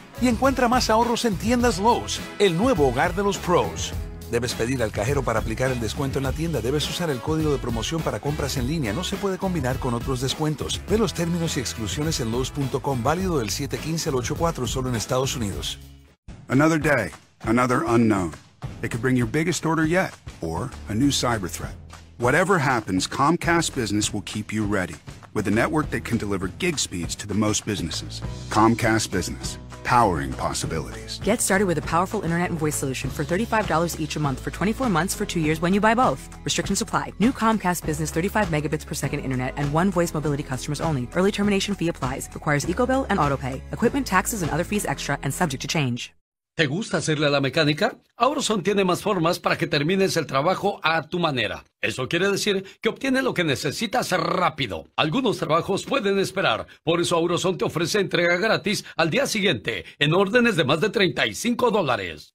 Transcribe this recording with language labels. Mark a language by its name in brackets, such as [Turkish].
[Spanish] Y encuentra más ahorros en tiendas Lowe's, el nuevo hogar de los pros. Debes pedir al cajero para aplicar el descuento en la tienda. Debes usar el código de promoción para compras en línea. No se puede combinar con otros descuentos. Ve los términos y exclusiones en Lowe's.com, válido del 7/15 al 8/4, solo en Estados Unidos. [English] Another day. Another unknown. It could bring your biggest order yet, or a new cyber threat. Whatever happens, Comcast Business will keep you ready with a network that can deliver gig speeds to the most businesses. Comcast Business, powering possibilities. Get started with a powerful internet and voice solution for $35 each a month for 24 months for 2 years when you buy both. Restrictions apply. New Comcast Business 35 megabits per second internet and one voice mobility customers only. Early termination fee applies. Requires EcoBill and AutoPay. Equipment, taxes, and other fees extra and subject to change. [Spanish] ¿Te gusta hacerle a la mecánica? AutoZone tiene más formas para que termines el trabajo a tu manera. Eso quiere decir que obtienes lo que necesitas rápido. Algunos trabajos pueden esperar. Por eso AutoZone te ofrece entrega gratis al día siguiente en órdenes de más de $35.